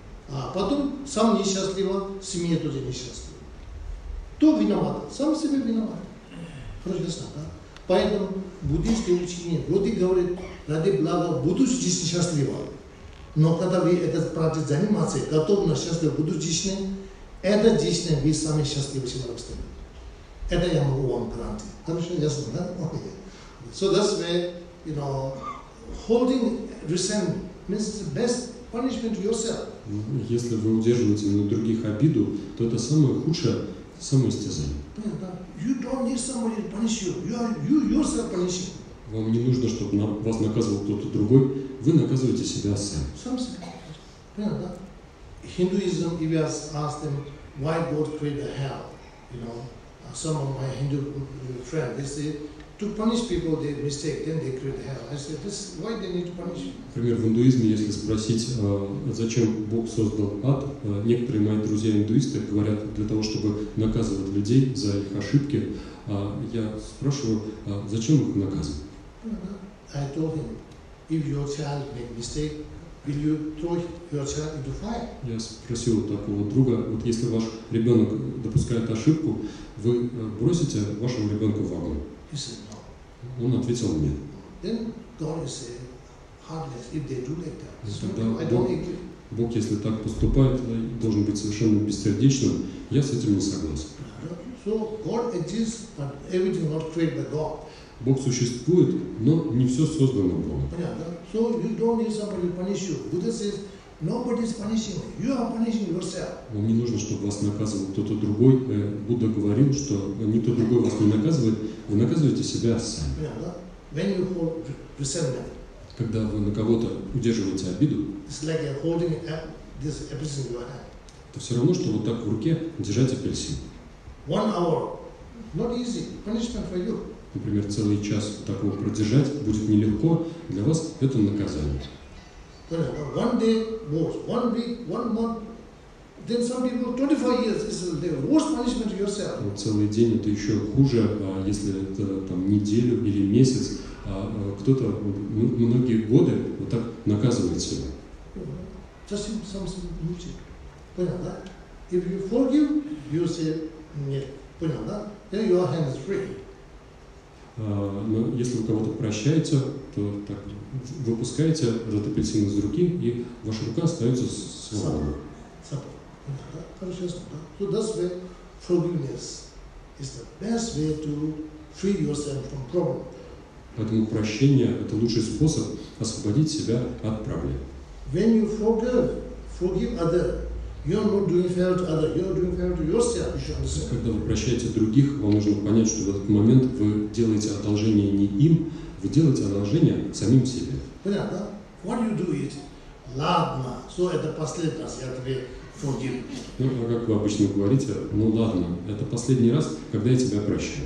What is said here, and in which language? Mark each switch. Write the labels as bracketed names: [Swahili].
[Russian] А потом сам несчастлива, семья тоже несчастлива. Кто виноват? Сам себе виноват. Хорошо, ясно, да? Поэтому буддийское учение, вроде говорит, ради блага будущей жизни счастлива. Но когда вы этот практик занимаете, готовы на счастливое будущее, это жизнь, вы сами счастливы, чем растет. Это я могу вам гарантировать. Хорошо, ясно, да? Okay. [English] So that's where, you know, holding resentment means the best punishment to yourself. [Russian] Если вы удерживаете на других обиду, то это самое худшее. Самоистязание. [English] You don't need somebody to punish you. You yourself punishing. [Russian] Вам не нужно, чтобы вас наказывал кто-то другой. Вы наказываете себя сам. Сам себя. Понятно, да? [English] Hinduism, if you ask them, why God created hell? You know, some of my Hindu friends, they say, to punish people did mistake, then they create hell. I said, this, why they need to punish? [Russian] Например, в индуизме, если спросить, зачем Бог создал ад, некоторые мои друзья-индуисты говорят, для того, чтобы наказывать людей за их ошибки. Я спрашиваю, зачем их наказывать? [English] I told him, if your child made mistake, will you throw your child into fire? [Russian] Я спросил такого друга, вот если ваш ребенок допускает ошибку, вы бросите вашему ребенку в огонь? [English] He said no. [Russian] Он ответил нет. [English] Then God is heartless if they do like that. So I don't agree. [Russian] Бог, если так поступает, должен быть совершенно бессердечным. Я с этим не согласен. [English] So God exists, but everything not created by God. [Russian] Бог существует, но не все создано Богом. [English] So you don't need somebody to punish you. Buddha says, nobody is punishing you. You are punishing yourself. [Russian] Вам не нужно, чтобы вас наказывал кто-то другой. Будда говорил, что никто другой вас не наказывает. Вы наказываете себя сам. [English] When you hold resentment. [Russian] Когда вы на кого-то удерживаете обиду. [English] It's like you're holding this apple in your hand. [Russian] То все равно, что вот так в руке держать апельсин. [English] One hour. Not easy. Punishment for you. [Russian] Например, целый час такого продержать будет нелегко. Для вас это наказание. [English] One day worse. One week, one month. Then some people 25 years is the worst punishment to yourself. [Russian] Вот целый день это еще хуже, если это там неделю или месяц. Кто-то многие годы вот так наказывает себя. [English] Just something music. [Russian] Понятно, да? [English] If you forgive, you say нет. Понятно, да? Then your hand is free. [Russian] Но если вы кого-то прощаете, то так, выпускаете этот апельсин из руки, и ваша рука остается свободной. [English] So that's where forgiveness is the best way to free yourself from problem. [Russian] Поэтому прощение – это лучший способ освободить себя от проблем. [English] When you forgive other, you're not doing fair to other, you're doing fair to yourself, you should understand. [Russian] Когда вы прощаете других, вам нужно понять, что в этот момент вы делаете одолжение не им, вы делаете одолжение самим себе. Понятно? [English] What you do is, [Russian] ладно, so это последний раз, я тебе forgive. Ну, а как вы обычно говорите, ну ладно, это последний раз, когда я тебя прощу.